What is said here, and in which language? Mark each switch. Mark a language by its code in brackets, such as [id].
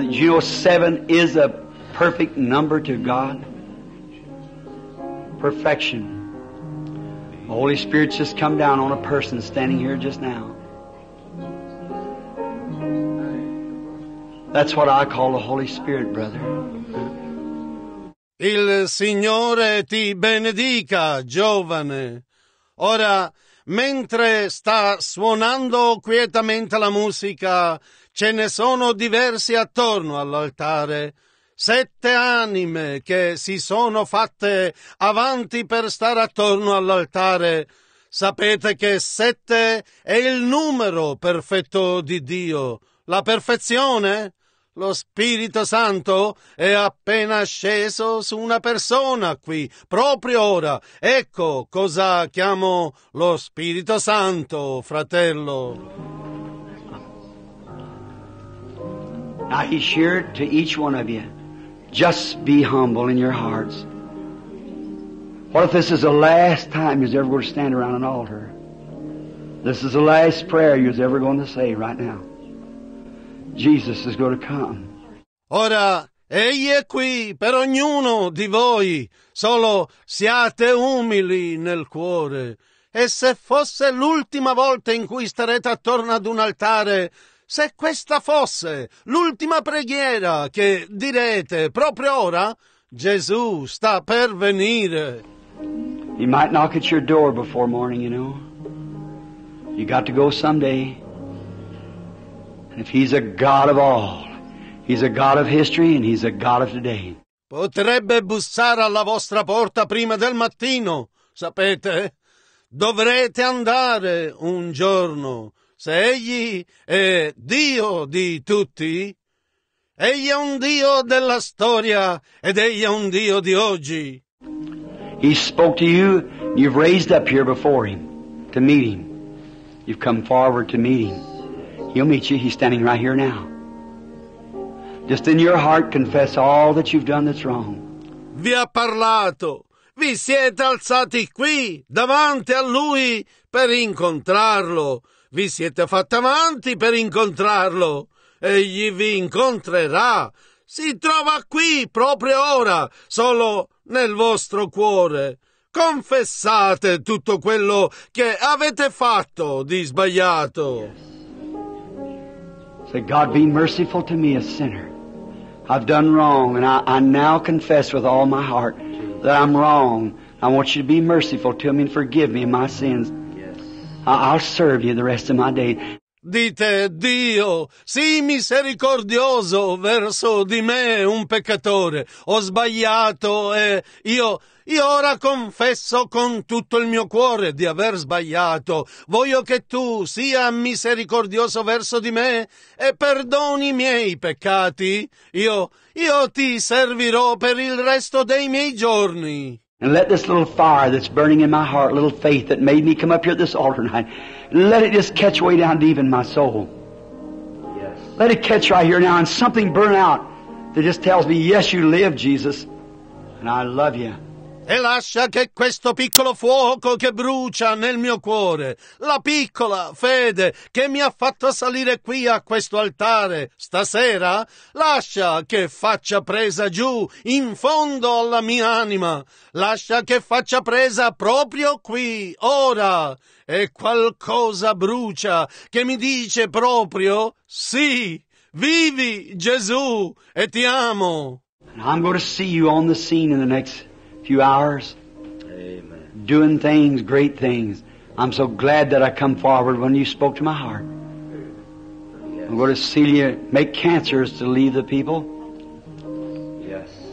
[en] You know, seven is a perfect number to God. Perfection. The Holy Spirit's just come down on a person standing here just now. That's what I call the Holy Spirit, brother. [it] Il Signore ti benedica, giovane. Ora, mentre sta suonando quietamente la musica, ce ne sono diversi attorno all'altare. Sette anime che si sono fatte avanti per stare attorno all'altare. Sapete che sette è il numero perfetto di Dio. La perfezione? Lo Spirito Santo è appena sceso su una persona qui, proprio ora. Ecco cosa chiamo lo Spirito Santo, fratello. [en] Now he's here to each one of you. Just be humble in your hearts. What if this is the last time you're ever going to stand around an altar? This is the last prayer you're ever going to say right now. Jesus is going to come. [it] Ora, egli è qui per ognuno di voi. Solo siate umili nel cuore. E se fosse l'ultima volta in cui starete attorno ad un altare, se questa fosse l'ultima preghiera che direte proprio ora, Gesù sta per venire. [en] He might knock at your door before morning, you know. You got to go someday. If he's a God of all, he's a God of history and he's a God of today. [it] Potrebbe bussare alla vostra porta prima del mattino, sapete? Dovrete andare un giorno. Se egli è Dio di tutti, egli è un Dio della storia ed egli è un Dio di oggi. [en] He spoke to you, you've raised up here before him to meet him. You've come forward to meet him. He'll meet you. He's standing right here now. Just in your heart, confess all that you've done that's wrong. [it] Vi ha parlato. Vi siete alzati qui, davanti a lui, per incontrarlo. Vi siete fatti avanti per incontrarlo. Egli vi incontrerà. Si trova qui, proprio ora, solo nel vostro cuore. Confessate tutto quello che avete fatto di sbagliato. [en] Yes. That God be merciful to me, a sinner. I've done wrong, and I now confess with all my heart that I'm wrong. I want you to be merciful to me and forgive me of my sins. Yes. I'll serve you the rest of my day. [it] Dite, Dio, sii misericordioso verso di me, un peccatore. Ho sbagliato e io ora confesso con tutto il mio cuore di aver sbagliato. Voglio che tu sia misericordioso verso di me e perdoni i miei peccati. Io ti servirò per il resto dei miei giorni. [en] And let this little fire that's burning in my heart, little faith that made me come up here at this altar tonight, let it just catch way down deep in my soul. Yes. Let it catch right here now and something burn out that just tells me, yes, you live, Jesus, and I love you. [it] E lascia che questo piccolo fuoco che brucia nel mio cuore, la piccola fede che mi ha fatto salire qui a questo altare stasera, lascia che faccia presa giù in fondo alla mia anima, lascia che faccia presa proprio qui, ora, e qualcosa brucia che mi dice proprio sì, vivi Gesù e ti amo. [en] I'm going to see you on the scene in the next few hours. Amen. Doing things, great things. I'm so glad that I come forward when you spoke to my heart. Yes. I'm going to see you make cancers to leave the people. Yes.